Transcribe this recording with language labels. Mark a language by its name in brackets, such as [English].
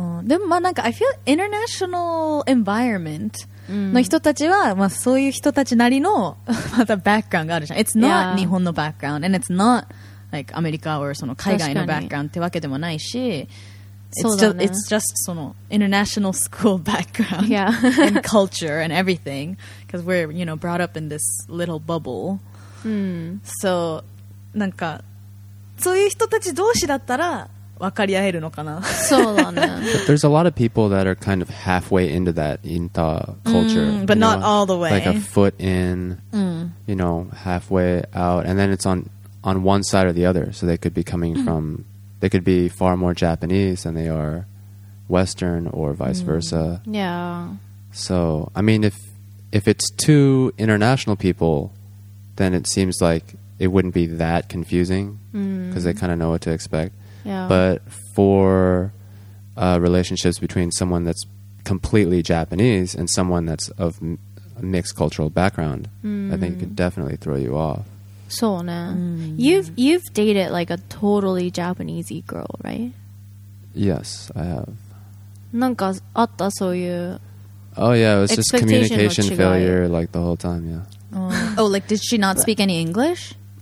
[Japanese] でもまあなんか [English] I feel international environment [Japanese] の人たちはまあそういう人たちなりのまたバックグラウンドがあるじゃん。 [English] It's not [Japanese] 日本の [English] background and it's not like アメリカ or [Japanese] その海外の [English] background [Japanese] ってわけでもないし。 [English] It's just [Japanese] その [English] international school background yeah. and culture and everything because we're you know brought up in this little bubble. So [Japanese] なんかそういう人たち同士だったら。分かり合えるのかな。そうだね。 [English] But there's a lot of people that are kind of halfway into that Inta culture, but not all the way. Like a foot in, you know, halfway out, and then it's on one side or the other. So they could be coming from, they could be far more Japanese than they are Western, or vice versa. Yeah. So I mean, if it's two international people, then it seems like it wouldn't be that confusing because they kind of know what to expect. Yeah. But for relationships between someone that's completely Japanese and someone that's of mixed cultural background, I think it could definitely throw you off. So, ne. You've dated like a totally Japanese girl, right? Yes, I have. [Japanese] なんかあったそういう。 [English] Oh yeah, it was just communication failure like the whole time. Yeah. Oh, like did she not speak any English?